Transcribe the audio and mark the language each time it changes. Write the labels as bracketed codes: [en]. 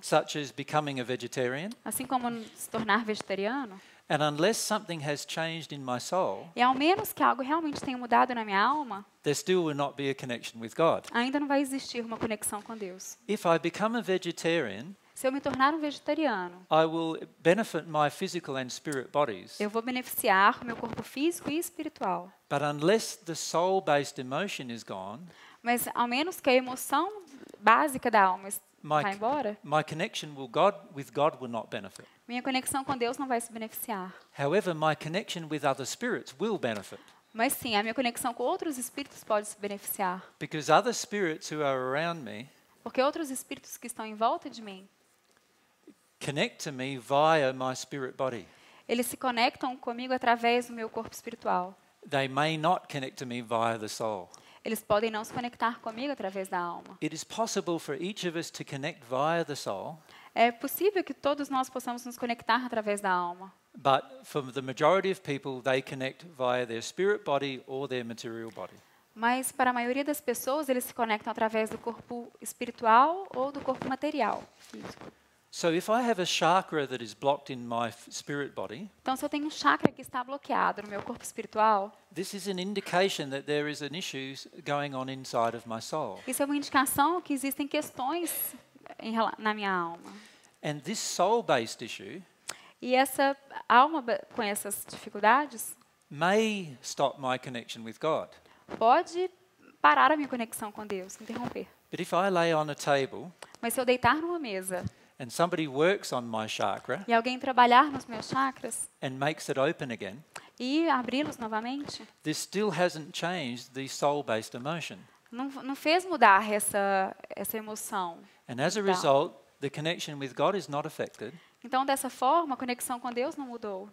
[en] Such as becoming a vegetarian. [pt] Assim como se tornar vegetariano. [en] And unless something has changed in my soul. [pt] E ao menos que algo realmente tenha mudado na minha alma. [en] There still will not be a connection with God. [pt] Ainda não vai existir uma conexão com Deus. [en] If I become a vegetarian. [pt] Se eu me tornar um vegetariano. [en] I will benefit my physical and spirit bodies. [pt] Eu vou beneficiar meu corpo físico e espiritual. [en] But unless the soul-based emotion is gone. [pt] Mas ao menos que a emoção básica da alma vá embora. [en] My connection with God will not benefit. [pt] Minha conexão com Deus não vai se beneficiar. [en] However, my connection with other spirits will benefit. [pt] Mas sim, a minha conexão com outros espíritos pode se beneficiar. [en] Because other spirits who are around me. [pt] Porque outros espíritos que estão em volta de mim. [en] Connect to me via my spirit body. [pt] Eles se conectam comigo através do meu corpo espiritual. [en] They may not connect to me via the soul. [pt] Eles podem não se conectar comigo através da alma. [en] It is possible for each of us to connect via the soul. [pt] É possível que todos nós possamos nos conectar através da alma. [en] But for the majority of people, they connect via their spirit body or their material body. [pt] Mas para a maioria das pessoas, eles se conectam através do corpo espiritual ou do corpo material, físico. [en] So if I have a chakra that is blocked in my spirit body, [pt] então se eu tenho um chakra que está bloqueado no meu corpo espiritual, [en] this is an indication that there is an issue going on inside of my soul. [pt] Isso é uma indicação que existem questões em, na minha alma. [en] And this soul-based issue, [pt] e essa alma com essas dificuldades, [en] may stop my connection with God. [pt] Pode parar a minha conexão com Deus, interromper. [en] But if I lay on a table, [pt] mas se eu deitar numa mesa, [en] and somebody works on my chakra, [pt] e alguém trabalhar nos meus chakras, [en] and makes it open again, [pt] e abri-los novamente, [en] this still hasn't changed the soul-based emotion. [pt] Não fez mudar essa emoção. [en] And as a result, the connection with God is not affected. [pt] Então, dessa forma, a conexão com Deus não mudou.